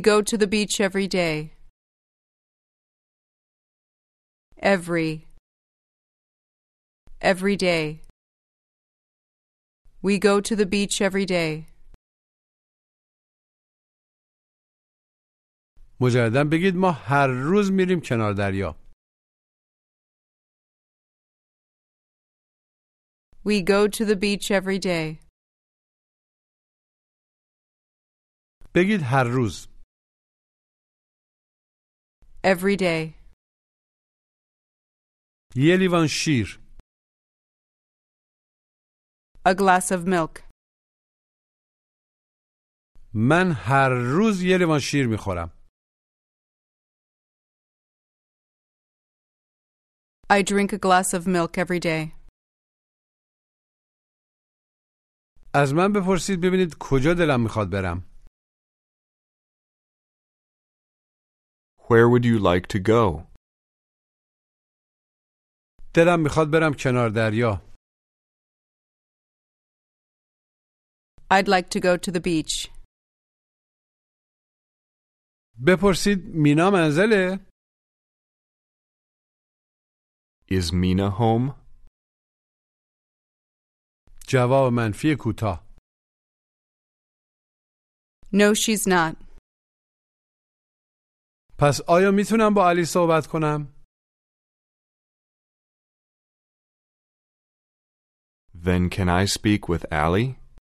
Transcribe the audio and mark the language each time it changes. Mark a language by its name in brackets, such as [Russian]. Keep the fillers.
[English] go to the beach every day. Every. Every day. We go to the beach every day. [Persian] مجددا بگید ما هر روز میریم کنار دریا. [English] We go to the beach every day. [Persian] بگید هر روز. [English] Every day. [Persian] یه لیوان شیر. [English] A glass of milk. [Persian] من هر روز یه لیوان شیر میخورم. [English] I drink a glass of milk every day. [Persian] از من بپرسید ببینید کجا دلم میخواد برم. [English] Where would you like to go? [Persian] دلم میخواد برم کنار دریا. [English] I'd like to go to the beach. [Persian] بپرسید مینا منزله؟ [English] Is Mina home? [Persian] جواب منفی کوتاه [English] No, she's not. [Persian] پس آیا میتونم با علی صحبت کنم؟ [English] Then can I speak with Ali?